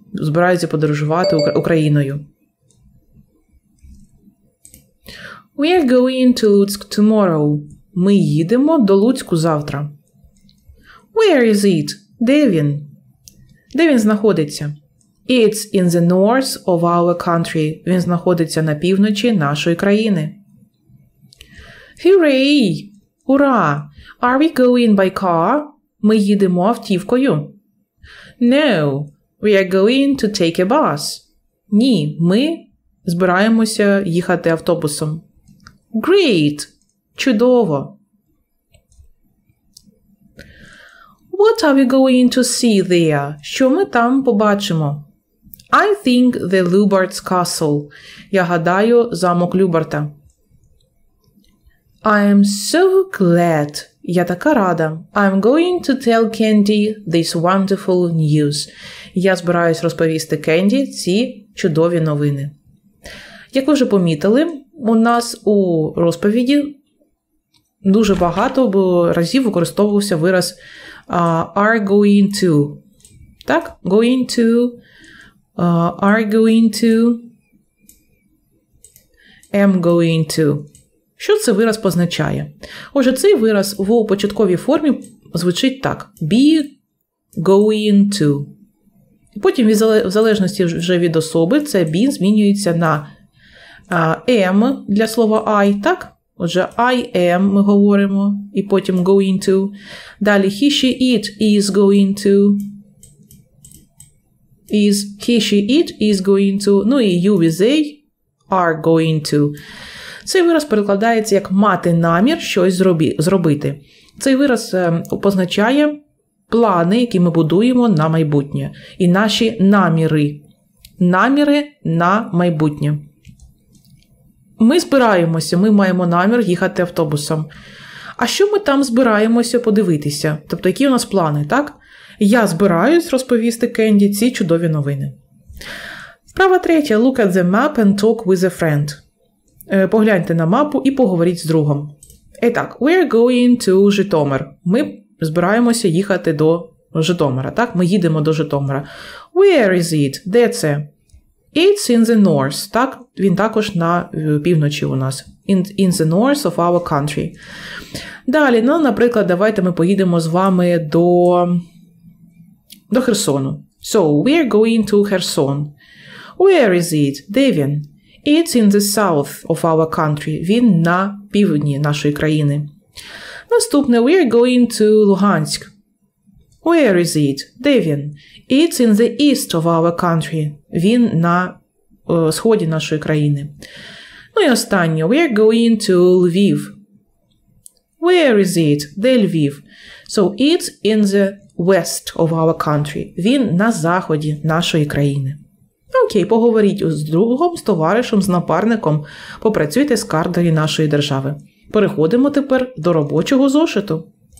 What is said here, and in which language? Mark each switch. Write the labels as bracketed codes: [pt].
[uk] Збираються подорожувати Україною. [en] We are going to Lutsk tomorrow. [uk] Ми їдемо до Луцьку завтра. [en] Where is it? [uk] Де він? Де він знаходиться? [en] It's in the north of our country. [uk] Він знаходиться на півночі нашої країни. [en] Hooray! [uk] Ура! [en] Are we going by car? [uk] Ми їдемо автівкою. [en] No, we are going to take a bus. [uk] Ні, ми збираємося їхати автобусом. [en] Great! [uk] Чудово! [en] What are we going to see there? [uk] Що ми там побачимо? [en] I think the Lubart's castle. [uk] Я гадаю, замок Любарта. [en] I am so glad. [uk] Я така рада. [en] I'm going to tell Candy this wonderful news. [uk] Я збираюсь розповісти Кенді ці чудові новини. Як ви вже помітили, у нас у розповіді дуже багато разів використовувався вираз [en] are going to. [uk] Так? [en] Going to, are going to, am going to. [uk] Що це вираз позначає? Отже, цей вираз в початковій формі звучить так. [en] Be going to. [uk] Потім в залежності вже від особи це be змінюється на am для слова I, так? Отже, I am, ми говоримо, і потім going to. [en] Далі, he, she, it, is going to. Is, he, she, it, is going to. Ну і you with they are going to. [uk] Цей вираз перекладається як мати намір щось зробити. Цей вираз позначає плани, які ми будуємо на майбутнє. І наші наміри. Наміри на майбутнє. Ми збираємося, ми маємо намір їхати автобусом. А що ми там збираємося подивитися? Тобто, які у нас плани, так? Я збираюсь розповісти Кенді ці чудові новини. Справа третя. [en] Look at the map and talk with a friend. [uk] Погляньте на мапу і поговоріть з другом. [en] І так, we are going to Житомир. [uk] Ми збираємося їхати до Житомира, так? Ми їдемо до Житомира. [en] Where is it? [uk] Де це? [en] It's in the north, [uk] так? Він також на півночі у нас. [en] In the north of our country. [uk] Далі, ну, наприклад, давайте ми поїдемо з вами до Херсону. [en] So, we are going to Kherson. Where is it? [uk] Де він? [en] It's in the south of our country. [uk] Він на півдні нашої країни. Наступне. [en] We are going to Луганськ. Where is it? [uk] Де він? [en] It's in the east of our country. [uk] Він на сході нашої країни. Ну і останнє. [en] We are going to Львів. Where is it? [uk] Де Львів? [en] So, it's in the west of our country. [uk] Він на заході нашої країни. Окей, поговоріть з другом, з товаришем, з напарником. Попрацюйте з картою нашої держави. Переходимо тепер до робочого зошиту.